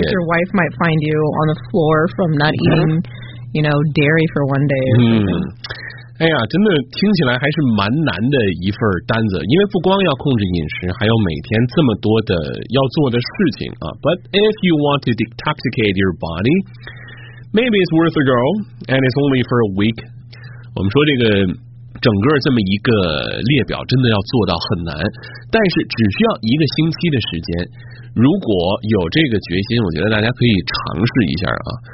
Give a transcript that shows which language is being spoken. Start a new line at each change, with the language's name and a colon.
English: In case your wife might find you on the floor from not eating, you know, dairy for one day. Or something.
Chinese: 哎呀，真的听起来还是蛮难的一份单子，因为不光要控制饮食，还有每天这么多的要做的事情啊。
English: But if you want to detoxicate your body, maybe it's worth a go, and it's only for a week.
Chinese: 我们说这个整个这么一个列表真的要做到很难，但是只需要一个星期的时间，如果有这个决心，我觉得大家可以尝试一下啊。